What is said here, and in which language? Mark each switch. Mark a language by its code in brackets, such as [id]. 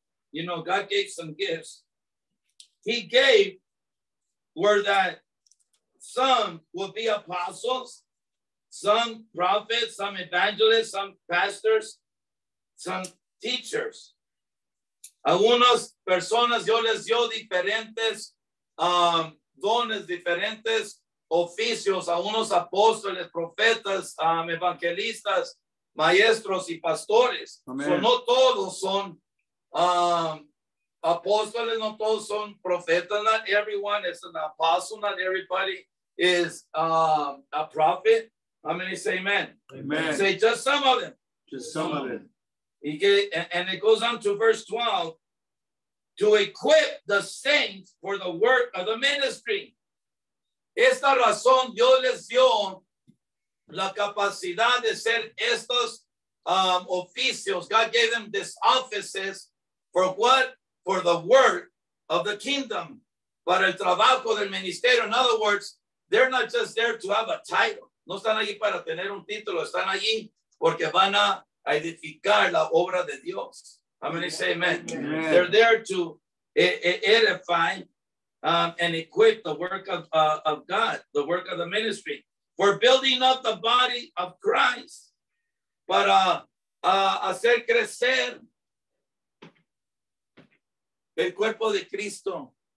[en] You know, God gave some gifts. He gave were that some would be apostles, some prophets, some evangelists, some pastors, some teachers. [es] Algunas personas yo les dio diferentes dones, diferentes oficios, a unos apóstoles, profetas, evangelistas, maestros y pastores. [en] So [es] no todos son apóstoles, no todos son profetas. [en] Not everyone is an apostle. Not everybody is a prophet. How many say amen? Amen. Say just some of them. Just some of them. And it goes on to verse 12. To equip the saints for the work of the ministry. [es] Esta razón Dios les dio la capacidad de ser estos oficios. [en] God gave them these offices for what? For the work of the kingdom. [es] Para el trabajo del ministerio. [en] In other words, they're not just there to have a title. [es] No están allí para tener un título. Están allí porque van a edificar la obra de Dios. [en] How many say amen? Amen. They're there to edify and equip the work of God, the work of the ministry. For building up the body of Christ. [es] Para hacer crecer el cuerpo de Cristo.